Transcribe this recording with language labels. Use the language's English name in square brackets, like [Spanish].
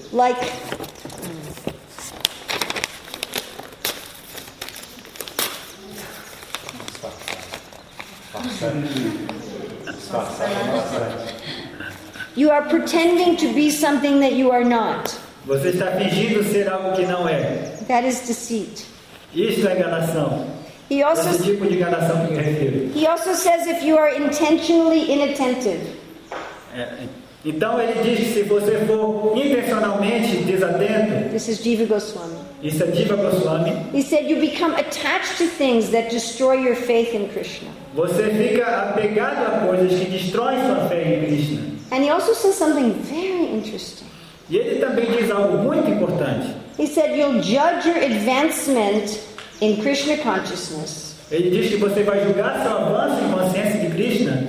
[English] Like, you are pretending to be something that you are not. [Portuguese] Você está fingindo ser algo que não é. [English] That is deceit. [Portuguese] Isso é enganação. [English] He also says if you are intentionally inattentive. [Portuguese] Então ele diz que se você for intencionalmente desatento. [English] This is Jiva Goswami. [Portuguese] Isso é Jiva Goswami. [English] He said you become attached to things that destroy your faith in Krishna. [Portuguese] Você fica apegado a coisas que destroem sua fé em Krishna. [English] And he also says something very interesting. [Portuguese] E ele também diz algo muito importante. [English] He said you'll judge your advancement in Krishna consciousness. [Portuguese] Ele diz que você vai julgar seu avanço em consciência de Krishna.